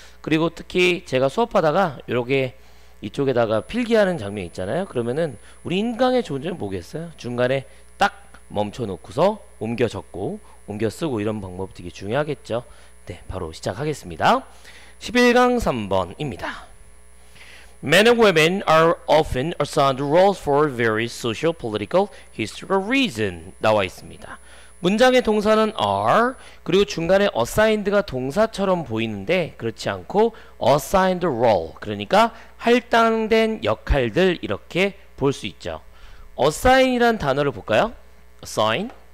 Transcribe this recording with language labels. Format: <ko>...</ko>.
<ko>그리고 특히 제가 수업하다가 요렇게 이쪽에다가 필기하는 장면 있잖아요. 그러면은 우리 인강의 존재는 뭐겠어요? 중간에 딱 멈춰 놓고서 옮겨 적고 옮겨 쓰고 이런 방법 되게 중요하겠죠. 네, 바로 시작하겠습니다. 11강 3번입니다.</ko> <en>Men and women are often assigned roles for various social, political, historical reason</en> <ko>나와 있습니다. 문장의 동사는 are, 그리고 중간에 assigned가 동사처럼 보이는데 그렇지 않고</ko> <en>assigned role,</en> <ko>그러니까 할당된 역할들 이렇게 볼수 있죠. assign이란 단어를 볼까요? assign.</ko>